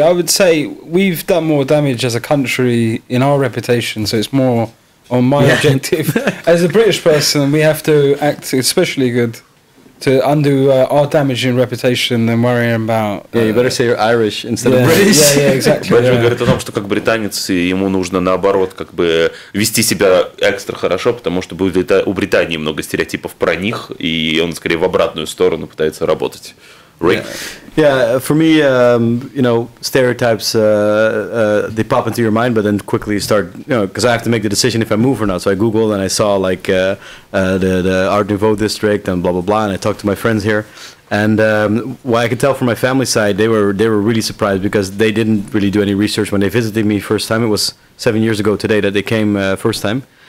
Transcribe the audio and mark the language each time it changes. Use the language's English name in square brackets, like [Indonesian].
[English] I would say we've done more damage as a country in our reputation, so it's more on my objective. As a British person, we have to act especially good to undo our damaging reputation than worrying about... Yeah, you better say you're Irish instead of British. Yeah, exactly. [Russian] Бенджамин говорит о том, что как британец ему нужно, наоборот, как бы вести себя экстра хорошо, потому что будет у Британии много стереотипов про них, и он скорее в обратную сторону пытается работать. [English] Yeah. Yeah, for me, stereotypes, they pop into your mind, but then quickly you start, you know, because I have to make the decision if I move or not. So I Googled and I saw like the Art Nouveau district and blah, blah, blah. And I talked to my friends here. And what I could tell from my family side, they were really surprised because they didn't really do any research when they visited me first time. It was 7 years ago today that they came first time.